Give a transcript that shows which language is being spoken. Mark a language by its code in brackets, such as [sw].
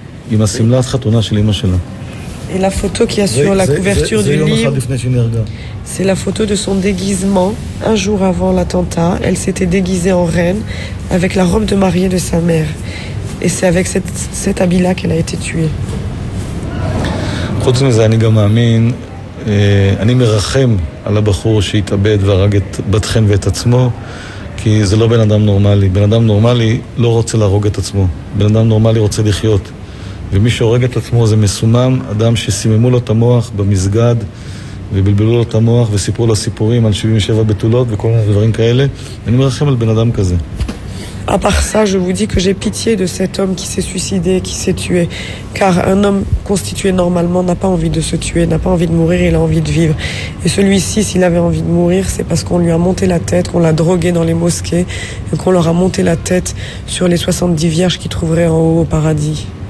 [fr] Il m'a simulé à ce qu'on a chez les machines. Et la photo qu'il y a sur la couverture du livre, c'est la photo de son déguisement un jour avant l'attentat. Elle s'était déguisée en reine avec la robe de mariée de sa mère. Et c'est avec cet habit-là qu'elle a été tuée. [he] חוץ מזה אני גם מאמין, אני מרחם על הבחור שהתאבד והרג את בתכן ואת עצמו, כי זה לא בן אדם נורמלי. בן אדם נורמלי לא רוצה להרוג את עצמו. בן אדם נורמלי רוצה לחיות. ומי שהורג את עצמו זה מסומם, אדם שסיממו לו את המוח במסגד, ובלבלו לו את המוח וסיפרו לו סיפורים על 77 בתולות וכל מיני דברים כאלה. אני מרחם על בן אדם כזה. [fr] À part ça, je vous dis que j'ai pitié de cet homme qui s'est suicidé, qui s'est tué. Car un homme constitué normalement n'a pas envie de se tuer, n'a pas envie de mourir, il a envie de vivre. Et celui-ci, s'il avait envie de mourir, c'est parce qu'on lui a monté la tête, qu'on l'a drogué dans les mosquées, et qu'on leur a monté la tête sur les 70 vierges qu'il trouverait en haut au paradis.